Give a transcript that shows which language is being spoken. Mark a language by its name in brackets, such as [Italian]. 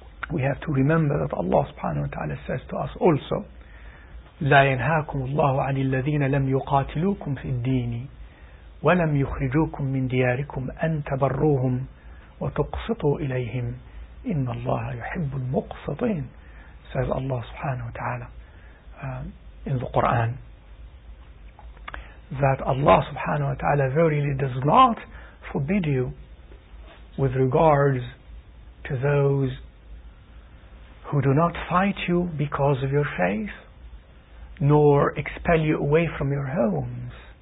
[English] We have to remember that Allah subhanahu wa ta'ala says to us also, [Arabic] لا ينهاكم الله عن الذين لم يقاتلوكم في الدين ولم يخرجوكم من دياركم أن تبروهم وتقسطوا إليهم إن الله يحب المقسطين. سأل الله سبحانه وتعالى [English] in the Quran that Allah subhanahu wa ta'ala verily does not forbid you with regards to those who do not fight you because of your faith, nor expel you away from your homes.